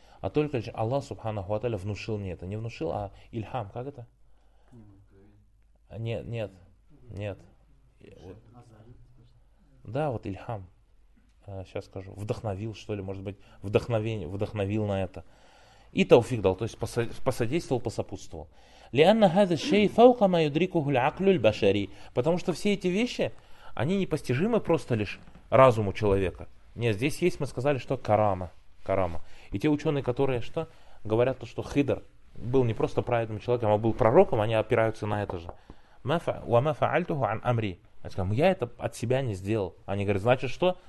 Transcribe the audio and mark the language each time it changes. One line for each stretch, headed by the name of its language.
Russian: А только лишь Аллах Субханаху Аталя внушил мне это. Не внушил, а ильхам, как это? Нет, нет, нет. Да, вот ильхам. Сейчас скажу. Вдохновил, что ли, может быть, вдохновение, вдохновил на это. и тауфик дал, то есть посодействовал, посопутствовал.
Arabic: لأن هذا الشيء فوق ما يدركه العقل البشري.
Russian: Потому что все эти вещи, они непостижимы просто лишь разуму человека. Нет, здесь есть, мы сказали, что карама, карама. И те ученые, которые что говорят, то что Хидр был не просто праведным человеком, а был пророком, они опираются на это же.
Arabic: وما فعلته عن أمري.
Russian: Я это от себя не сделал. Они говорят, значит что?